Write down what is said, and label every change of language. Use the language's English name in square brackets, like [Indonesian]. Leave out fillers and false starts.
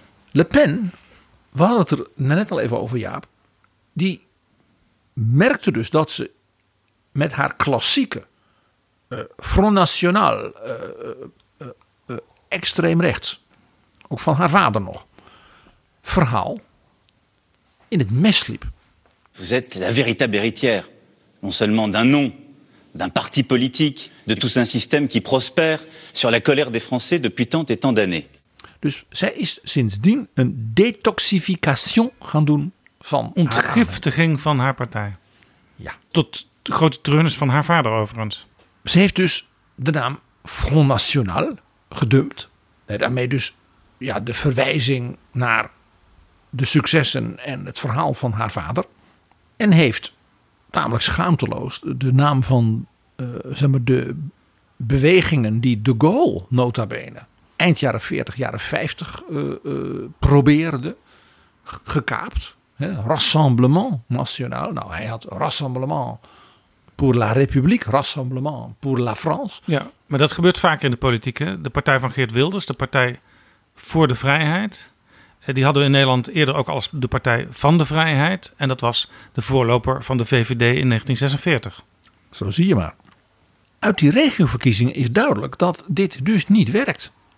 [Dutch] Le Pen, we hadden het er net al even over, Jaap. Die merkte dus dat ze met haar klassieke Front National, extreem rechts, ook van haar vader nog, verhaal in het mes liep. [French] Vous êtes la véritable héritière, non seulement d'un nom, d'un parti politique, de tout un système qui prospère sur la colère des Français depuis tant et tant d'années. [Dutch] Dus zij is sindsdien een detoxification gaan doen van ontgiftiging van haar partij. Ja. Tot de grote treurnis van haar vader overigens. Ze heeft dus de naam Front National gedumpt. Daarmee dus ja, de verwijzing naar de successen en het verhaal van haar vader. En heeft tamelijk schaamteloos de naam van zeg maar de bewegingen die de Gaulle nota bene eind jaren 40, jaren 50 probeerde, gekaapt. Hè, Rassemblement National. Nou, hij had Rassemblement pour la République, Rassemblement pour la France. Ja, maar dat gebeurt vaak in de politiek. Hè? De partij van Geert Wilders, de Partij voor de Vrijheid. Die hadden we in Nederland eerder ook als de Partij van de Vrijheid. En dat was de voorloper van de VVD in 1946. Zo zie je maar. Uit die regioverkiezingen is duidelijk dat dit dus niet werkt.